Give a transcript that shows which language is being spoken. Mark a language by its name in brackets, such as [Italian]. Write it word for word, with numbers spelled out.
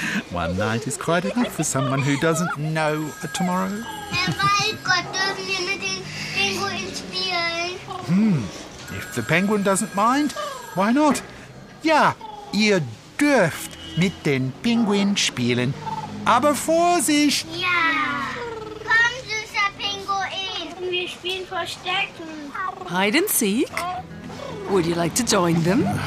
[English] One night is quite enough for someone who doesn't know a tomorrow. [German] Weil Gott dürfen wir mit den Pinguinen spielen. [English] Hm, if the penguin doesn't mind, why not? [German] Ja, ihr dürft mit den Pinguinen spielen. Aber Vorsicht! Ja! Komm, süßer Pinguin! Wir spielen Verstecken. [English] Hide and seek? Would you like to join them?